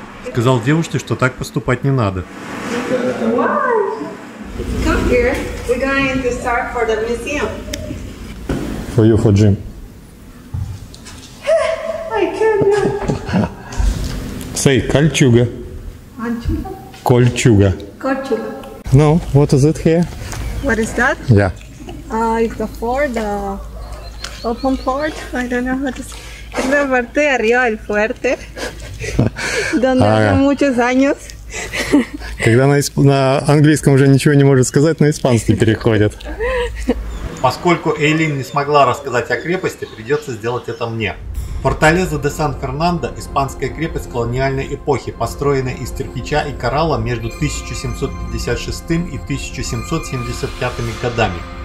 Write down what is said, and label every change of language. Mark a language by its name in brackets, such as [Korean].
[Russian] Сказал девушке, что так поступать не надо. [English] Come here, we're going to start for the museum. For you, for Jim. I cannot. Say, кольчуга. [Russian] Кольчуга? Кольчуга. Кольчуга. [English] No, what is it here? What is that? Yeah. It's the fort, the open fort. I don't know how to say. [Spanish] Es la parte de arriba del fuerte. Donde hace muchos años. [Russian] Когда на английском уже ничего не может сказать, на испанский переходит. Поскольку Эйлин не смогла рассказать о крепости, придется сделать это мне. Форталеза де Сан-Фернандо – испанская крепость колониальной эпохи, построенная из кирпича и коралла между 1756 и 1775 годами.